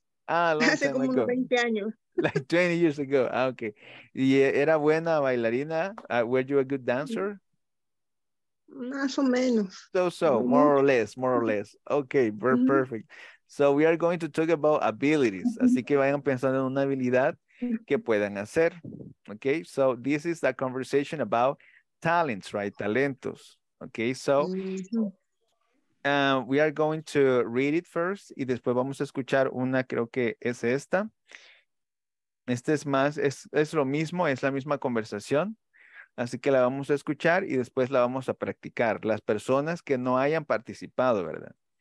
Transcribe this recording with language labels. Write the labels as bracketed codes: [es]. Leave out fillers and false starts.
[es] Hace como 20 años. [en] Like 20 years ago, okay. [es] ¿Y era buena bailarina? [en] Were you a good dancer? [es] Más o menos. [en] So, more or less. Okay, perfect. So we are going to talk about abilities. [es] Así que vayan pensando en una habilidad que puedan hacer. [en] Okay, so this is the conversation about talents, right? [es] Talentos. [en] Okay, so we are going to read it first [es] y después vamos a escuchar una, creo que es esta. Este es más, es lo mismo, es la misma conversación. Así que la vamos a escuchar y después la vamos a practicar. Las personas que no hayan participado, ¿verdad?